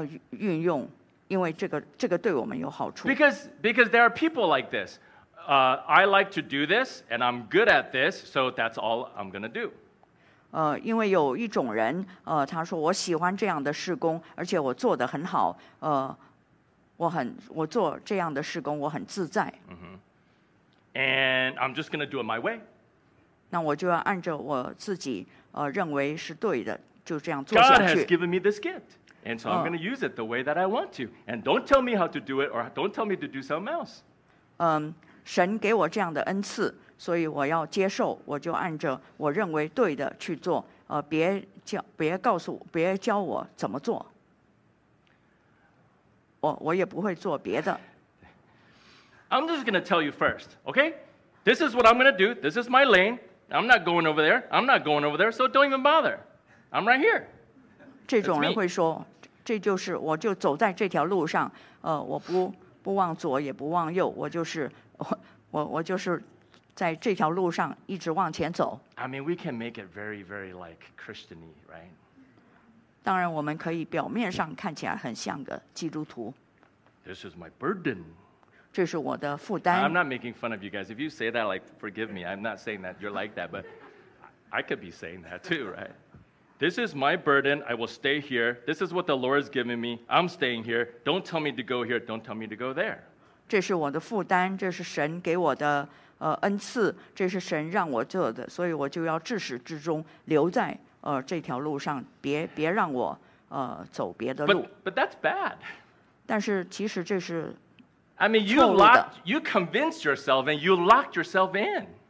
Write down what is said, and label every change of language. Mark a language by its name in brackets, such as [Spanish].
[Chinese] 运用，因为这个对我们有好处。 [English] Because there are people like this. I like to do this, and I'm good at this, so that's all I'm gonna do. [Chinese] 因为有一种人，他说我喜欢这样的事工，而且我做得很好。我做这样的事工，我很自在。 Mm-hmm. [English] And I'm just gonna do it my way. [Chinese] 那我就要按照我自己认为是对的。 [English] God has given me this gift, and so I'm going to use it the way that I want to. And don't tell me how to do it, or don't tell me to do something else. [Chinese] 神给我这样的恩赐，所以我要接受，我就按着我认为对的去做。别教我怎么做。我也不会做别的。 [English] I'm just going to tell you first, okay? This is what I'm going to do. This is my lane. I'm not going over there. So don't even bother. I'm right here. [Chinese] 这种人会说，这就是我就走在这条路上，我不往左也不往右，我就是在这条路上一直往前走。 [English] I mean, we can make it very, very like Christian-y, right? [Chinese] 当然，我们可以表面上看起来很像个基督徒。 [English] This is my burden. [Chinese] 这是我的负担。 [English] I'm not making fun of you guys. If you say that, like, forgive me. I'm not saying that you're like that, but I could be saying that too, right? This is my burden. I will stay here. This is what the Lord has given me. I'm staying here. Don't tell me to go here. Don't tell me to go there. [Chinese] 这是我的负担，这是神给我的恩赐，这是神让我做的，所以我就要至始至终留在这条路上，别让我走别的路。 [English] But that's bad. [Chinese] 但是其实这是 [English] I mean, you convinced yourself and you locked yourself in.